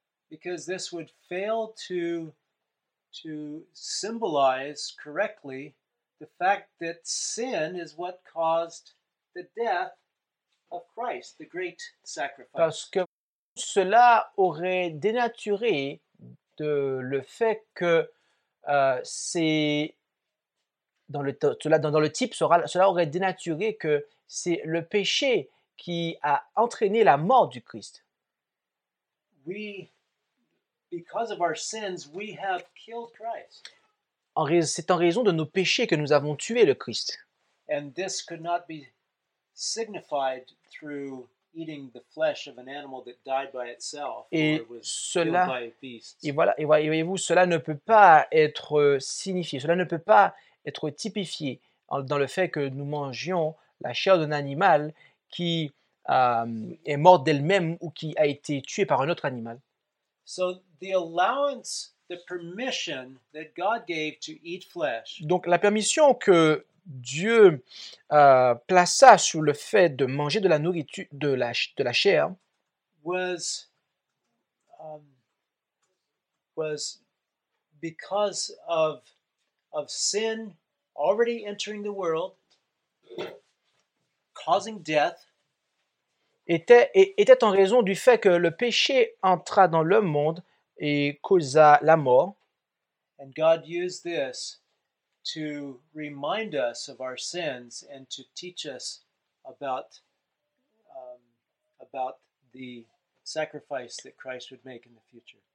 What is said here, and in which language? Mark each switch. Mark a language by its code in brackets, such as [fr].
[en] Because this would fail to symbolize correctly the fact that sin is what caused the death of Christ, the great sacrifice. [fr] Parce que cela aurait dénaturé de le fait que c'est dans le cela dans le type sera cela aurait dénaturé que c'est le péché qui a entraîné la mort du Christ. [en] We, because of our sins, we have killed Christ. [fr] C'est en raison de nos péchés que nous avons tué le Christ. [en] And this could not be signified through eating the flesh of an animal that died by itself [fr] et [en] or was [fr] cela, [en] killed by a beast. [fr] Et voilà, et voyez-vous, cela ne peut pas être signifié, cela ne peut pas être typifié dans le fait que nous mangions la chair d'un animal qui est mort d'elle-même ou qui a été tué par un autre animal. [en] So the allowance, the permission that God gave to eat flesh. [fr] Donc la permission que Dieu plaça sur le fait de manger de la nourriture de la chair [en] was because of sin already entering the world causing death [fr] était en raison du fait que le péché entra dans le monde et causa la mort. [en] And God used this to remind us of our sins and to teach us about the sacrifice that Christ would make in the future.